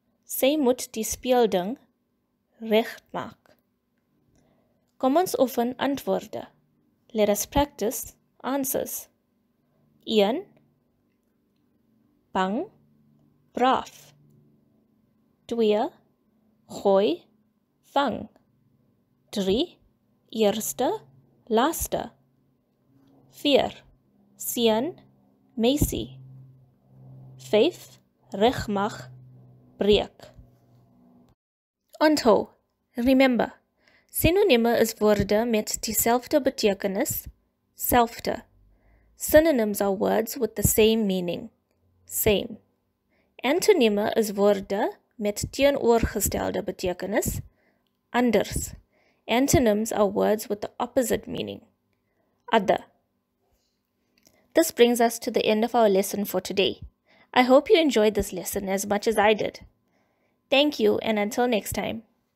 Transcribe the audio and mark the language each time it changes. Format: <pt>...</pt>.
<af>Sy moet die speelding regmaak. Kom ons oefen antwoorde.</af> <en>Let us practice answers. 1.</en> <af>Bang, braaf. 2. Gooi, vang. 3. Eerste, laaste. 4. Seun, meisie. 5. Regmag, breek. Onthou,</af> <en>remember,</en> <af>sinonieme is woorde met dieselfde betekenis, selfde.</af> <en>Synonyms are words with the same meaning, same.</en> <af>Antonieme is woorde met teenoorgestelde betekenis, anders.</af> <en>Antonyms are words with the opposite meaning, other. This brings us to the end of our lesson for today. I hope you enjoyed this lesson as much as I did. Thank you, and until next time.</en>